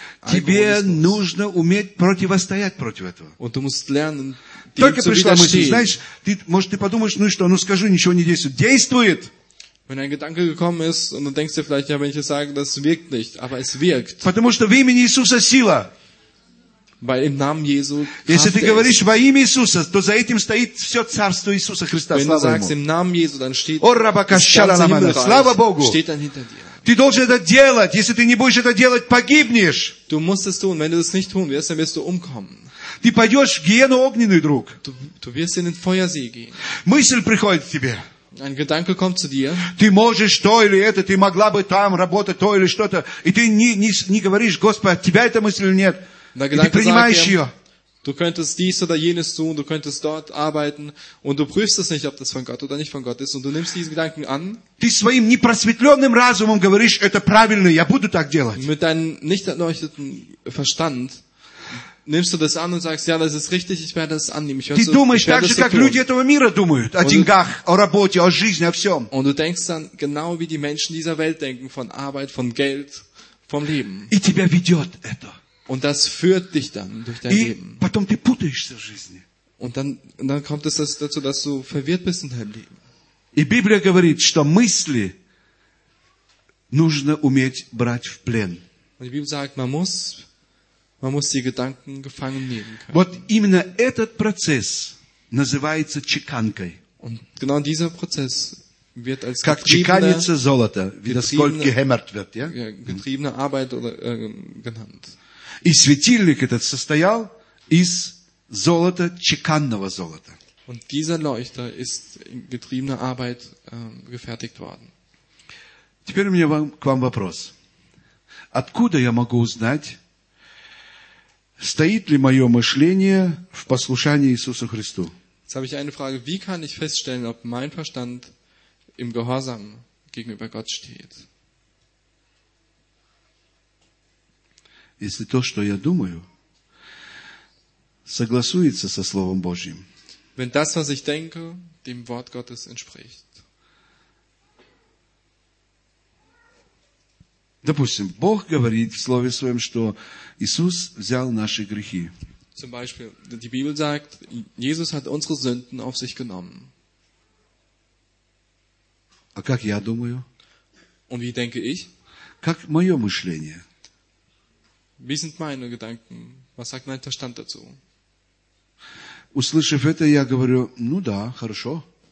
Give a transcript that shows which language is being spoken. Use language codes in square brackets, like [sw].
[ru] Тебе нужно уметь противостоять против этого. [de] Und du musst lernen, [ru] только пришла мысль, знаешь, ты, может, ты подумаешь, ну и что, ну скажу, ничего не действует. Действует! [de] Wenn ein Gedanke gekommen ist, und dann denkst du vielleicht, ja, wenn ich es sage, das wirkt nicht, aber es wirkt. [ru] Потому что в имени Иисуса сила. [de] Weil im Namen Jesu [ru] если ты говоришь во имя Иисуса, то за этим стоит все царство Иисуса Христа. [de] Wenn [ru] слава [de] du sagst, [ru] ему. [de] Im Namen Jesu, dann steht [ru] слава Богу. [de] Steht dann hinter dir. [ru] Ты должен это делать. Если ты не будешь это делать, погибнешь. [de] Du musst es tun. Wenn du das nicht tun wirst, dann wirst du umkommen. [ru] Ты пойдешь в гиену огненный, друг. [de] Du wirst in den Feuersee gehen. [ru] Мысль приходит к тебе. [de] Ein Gedanke kommt zu dir. [ru] Ты можешь то или это, ты могла бы там работать то или что-то, и ты не говоришь, Господи, от тебя эта мысль нет. [de] Und der Gedanke sagt dir, du könntest dies oder jenes tun, du könntest dort arbeiten und du prüfst es nicht, ob das von Gott oder nicht von Gott ist und du nimmst diesen Gedanken an. [ru] Ты своим непросветленным разумом говоришь, это правильно, я буду так делать. [de] Mit deinem nicht erleuchteten Verstand nimmst du das an und sagst, ja, das ist richtig, ich werde das annehmen. [ru] Ты думаешь так же, как люди этого мира думают, о деньгах, о работе, о жизни, о всем. [de] Und du denkst dann genau, wie die Menschen dieser Welt denken, von Arbeit, von Geld, vom Leben. [ru] И тебя ведет это. [de] Und das führt dich dann durch dein Leben. [ru] Потом ты путаешься в жизни. [de] Und dann kommt es dazu, dass du verwirrt bist in deinem Leben. [ru] И Библия говорит, что мысли нужно уметь брать в плен. [de] Und die Bibel sagt, man muss die Gedanken gefangen nehmen können. [ru] Вот именно этот процесс называется чеканкой. [de] Und genau dieser Prozess wird als [ru] как чеканится золото, [de] wie das Gold gehämmert wird, ja? Ja, getriebene Arbeit oder genannt. [ru] И светильник этот состоял из золота, чеканного золота. [de] Und dieser Leuchter ist in getriebener Arbeit gefertigt worden. [ru] Теперь у меня к вам вопрос. Откуда я могу узнать, стоит ли мое мышление в послушании Иисусу Христу? [de] Jetzt habe ich eine Frage. Wie kann ich feststellen, ob mein Verstand im Gehorsam gegenüber Gott steht? [ru] Если то, что я думаю, согласуется со Словом Божьим. [de] Wenn das, was ich denke, dem Wort Gottes entspricht. [ru] Допустим, Бог говорит в Слове Своем, что Иисус взял наши грехи. [de] Zum Beispiel, die Bibel sagt, Jesus hat unsere Sünden auf sich genommen. [ru] А как я думаю? [de] Und wie denke ich? [ru] Как мое мышление? [de] Wie sind meine Gedanken? Was sagt mein Verstand dazu? [ru] Услышав это, я говорю, ну да, хорошо.